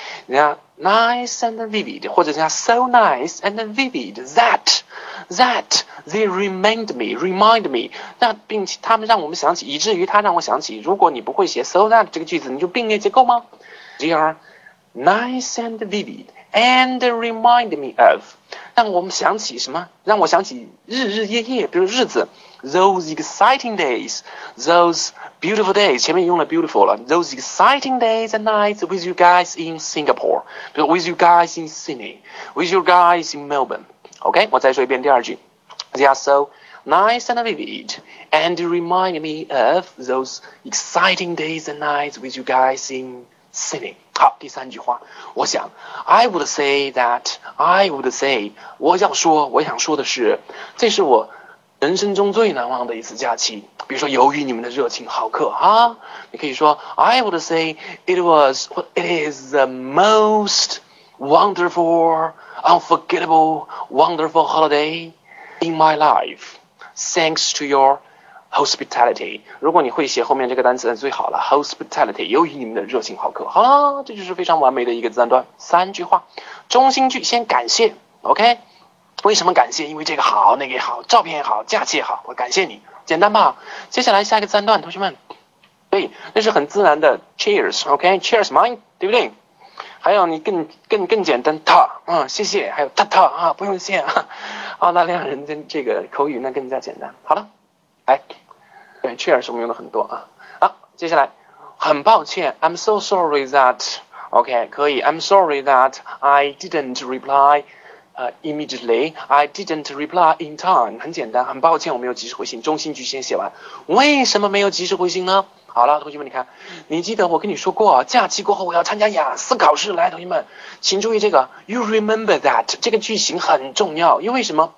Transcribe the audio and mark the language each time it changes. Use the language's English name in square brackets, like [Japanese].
[Chinese] 人家 [English] nice and vivid， [Chinese] 或者人家 [English] so nice and vivid that they remind me， [Chinese] 那并且他们让我们想起，以至于他让我想起。如果你不会写 so that 这个句子，你就并列结构吗？ [English] They are nice and vivid and remind me of， [Chinese] 让我们想起什么？让我想起日日夜夜，比如日子。 [English] Those exciting days, those beautiful days， [Chinese] 前面用了 [English] beautiful 了。 Those exciting days and nights with you guys in Singapore，比如 with you guys in Sydney, with you guys in Melbourne。 [Chinese] OK，我再说一遍第二句。 [English] They are so nice and vivid, and remind me of those exciting days and nights with you guys in Sydney。 [Chinese] 好，第三句话，我想， [English] I would say that, I would say， [Chinese] 我想说的是，这是我人生中最难忘的一次假期。比如说，由于你们的热情好客啊，你可以说 [English] I would say it was it is the most wonderful, unforgettable, wonderful holiday in my life, thanks to your hospitality。 [Chinese] 如果你会写后面这个单词，最好了。Hospitality，由于你们的热情好客，好了，这就是非常完美的一个自然段，三句话，中心句先感谢，OK。为什么感谢？因为这个好，那个也好，照片也好，假期也好，我感谢你，简单吧？接下来下一个自然段，同学们，对，那是很自然的。 [English] Cheers，OK，Cheers，mine， [Chinese] 对不对？还有你更简单，他，谢谢，还有他啊，不用谢啊。澳大利亚人的这个口语那更加简单。好了，来，对，Cheers 我们用了很多啊。接下来，很抱歉， [English] I'm so sorry that，OK， [Chinese] 可以， [English] I'm sorry that I didn't reply。 Immediately, I didn't reply in time. [Chinese] 很简单，很抱歉，我没有及时回信。中心句先写完。为什么没有及时回信呢？好了，同学们，你看，你记得我跟你说过，假期过后我要参加雅思考试。来，同学们，请注意这个 ，You remember that 这个句型很重要，因为什么？